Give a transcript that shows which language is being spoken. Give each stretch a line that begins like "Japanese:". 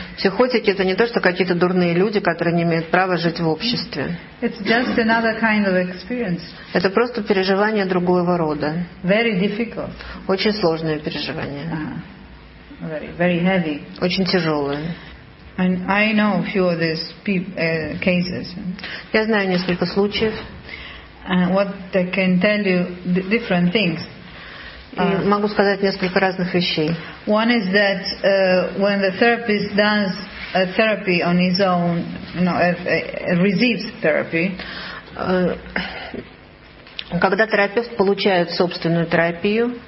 Russian: Психотики — это не то, что какие-то дурные люди, которые не имеют права жить в обществе.
English: It's just another kind of experience.
Russian: Это просто переживание другого рода.
English: Very difficult.
Russian: Очень сложное переживание.
English: Very heavy.
Russian: Очень тяжелое.
English: And I know a few of these cases.
Russian: Я знаю несколько случаев.
English: What they can tell you different things.
Russian: Могу сказать несколько разных вещей.
English: One is that when the therapist does a therapy on his own, you know, receives therapy.
Russian: Когда терапевт получает собственную терапию,